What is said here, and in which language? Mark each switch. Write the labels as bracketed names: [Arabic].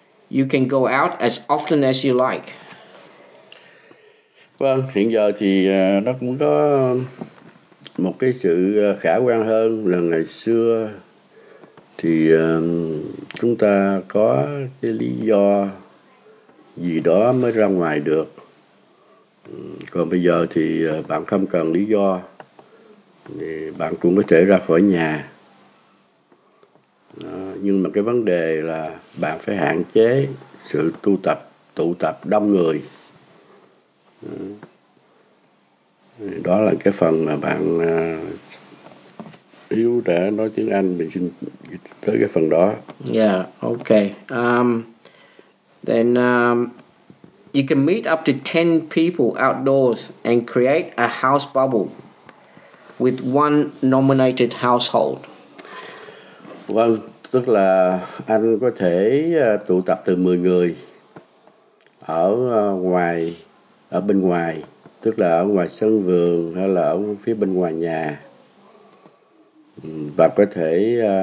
[English] You can go out as often as you like. [Vietnamese] Vâng, hiện giờ thì nó cũng có một cái sự khả quan hơn là ngày xưa thì chúng ta có cái lý do gì đó mới ra ngoài được. Còn bây giờ thì bạn không cần lý do thì bạn cũng có thể ra khỏi nhà. Nhưng mà cái vấn đề là bạn phải hạn chế sự tụ tập đông người. Đó là cái phần mà bạn yếu để nói tiếng Anh, mình xin tới cái phần đó. [English] Yeah, okay. You can meet up to 10 people outdoors and create a house bubble with one nominated household. [Vietnamese] Vâng, tức là anh có thể tụ tập từ 10 người ở ngoài, ở bên ngoài, tức là ở ngoài sân vườn hay là ở phía bên ngoài nhà, và có thể